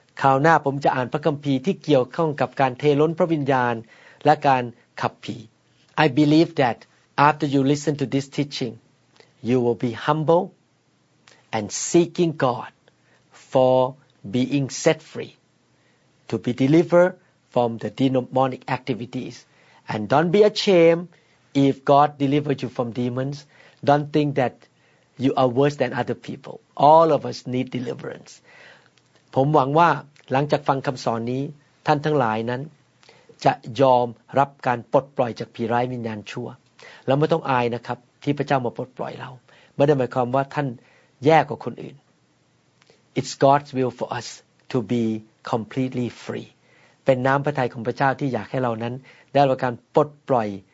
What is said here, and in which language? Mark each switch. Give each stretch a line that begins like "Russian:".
Thai: คราวหน้าผมจะอ่านพระคัมภีร์ที่เกี่ยวข้องกับการเทล้นพระวิญญาณและการขับผี
English: I believe that after you listen to this teaching, you will be humble and seeking God for being set free to be deliveredfrom the demonic activities. And don't be ashamed if God delivered you from demons. Don't think that you are worse than other people. All of us need deliverance.
Thai: ผมหวังว่าหลังจากฟังคำสอนนี้ท่านทั้งหลายนั้นจะยอมรับการปลดปล่อยจากผีร้ายวิญญาณชั่วแล้วไม่ต้องอายนะครับที่พระเจ้ามาปลดปล่อยเราไม่ได้หมายความว่าท่านแย่กว่าคนอื่น
English: It's God's will for us to be completely free
Thai: เป็นน้ำพระทัยของพระเจ้าที่อยากให้เรานั้นได้รับการปลดปล่อย